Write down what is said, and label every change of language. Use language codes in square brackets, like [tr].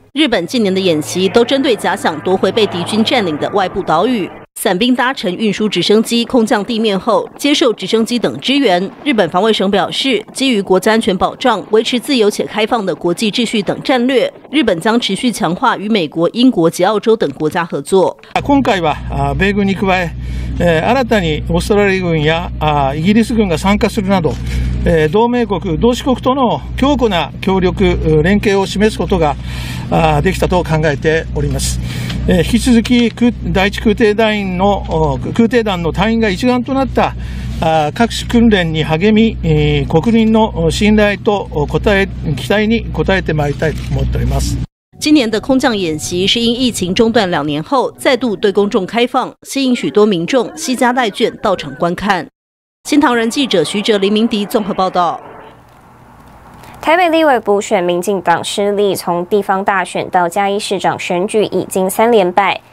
[zh] 日本近年的演习都针对假想夺回被敌军占领的外部岛屿。伞兵搭乘运输直升机空降地面后，接受直升机等支援。日本防卫省表示，基于国家安全保障、维持自由且开放的国际秩序等战略，日本将持续强化与美国、英国及澳洲等国家合作。 [ja] 今回は米軍に加え、新たにオーストラリア軍やイギリス軍が参加するなど、同盟国、同志国との強固な協力、連携を示すことができたと考えております。引き続き第一空挺団員の空挺団の隊員が一丸となった各種訓練に励み、国民の信頼と期待に応えてまいりたいと思っております。 [zh] 今年的空降演习是因疫情中断2年后再度对公众开放，吸引许多民众携家带眷到场观看。新唐人记者徐哲、林明迪综合报道。台北立委补选，民进党失利，从地方大选到嘉义市长选举已经3连败。